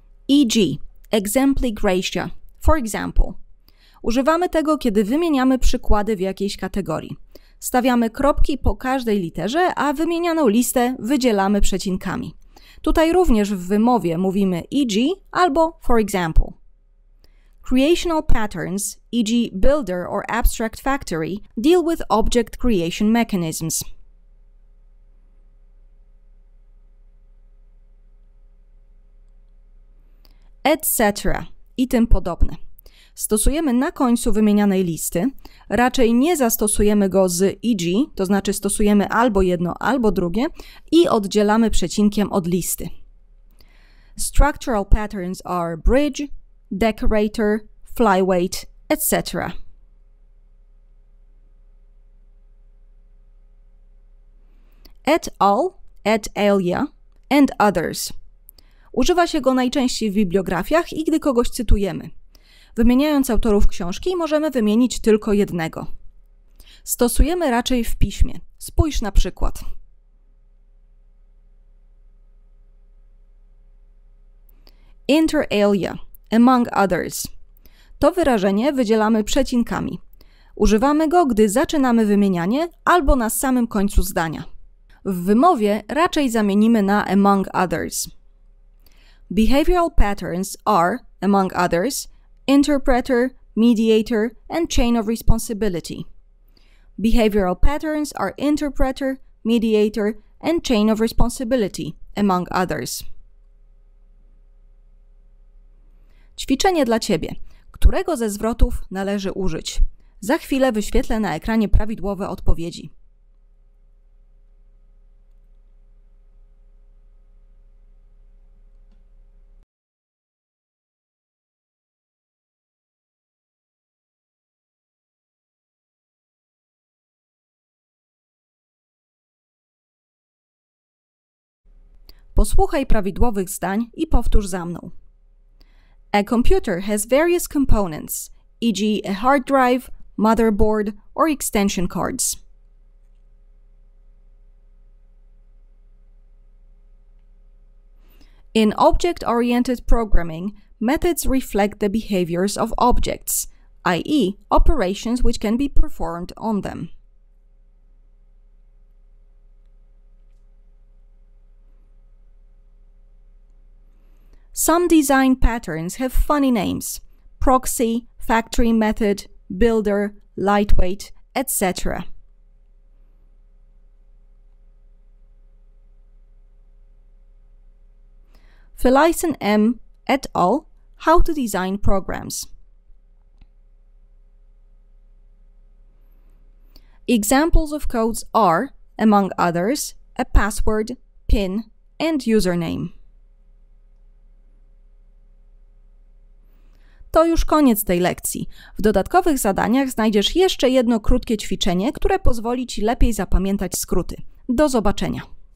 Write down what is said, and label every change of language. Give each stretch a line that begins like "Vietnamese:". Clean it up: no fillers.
English: E.g. Exempli gratia, for example.
Polish: Używamy tego, kiedy wymieniamy przykłady w jakiejś kategorii. Stawiamy kropki po każdej literze, a wymienianą listę wydzielamy przecinkami. Tutaj również w wymowie mówimy e.g.
English: albo for example. Creational patterns, e.g. builder or abstract factory, deal with object creation mechanisms.
Polish: Etc. i tym podobne. Stosujemy na końcu wymienianej listy, raczej nie zastosujemy go z e.g., to znaczy stosujemy albo jedno, albo drugie i oddzielamy przecinkiem od listy.
English: Structural patterns are bridge, decorator, flyweight, etc. Et al., et alia, and others.
Polish: Używa się go najczęściej w bibliografiach i gdy kogoś cytujemy. Wymieniając autorów książki, możemy wymienić tylko jednego. Stosujemy raczej w piśmie. Spójrz na przykład.
English: Inter alia, among others.
Polish: To wyrażenie wydzielamy przecinkami. Używamy go, gdy zaczynamy wymienianie albo na samym końcu zdania. W wymowie raczej zamienimy na
English: among others. Behavioral patterns are, among others, interpreter, mediator, and chain of responsibility. Behavioral patterns are interpreter, mediator, and chain of responsibility, among others.
Polish: Ćwiczenie dla Ciebie. Którego ze zwrotów należy użyć? Za chwilę wyświetlę na ekranie prawidłowe odpowiedzi. Posłuchaj prawidłowych zdań i powtórz za mną.
English: A computer has various components, e.g. a hard drive, motherboard, or extension cards. In object-oriented programming, methods reflect the behaviors of objects, i.e. operations which can be performed on them. Some design patterns have funny names: proxy, factory method, builder, lightweight, etc. Felicen M. et al. How to design programs. Examples of codes are, among others, a password, PIN, and username.
Polish: To już koniec tej lekcji. W dodatkowych zadaniach znajdziesz jeszcze jedno krótkie ćwiczenie, które pozwoli Ci lepiej zapamiętać skróty. Do zobaczenia!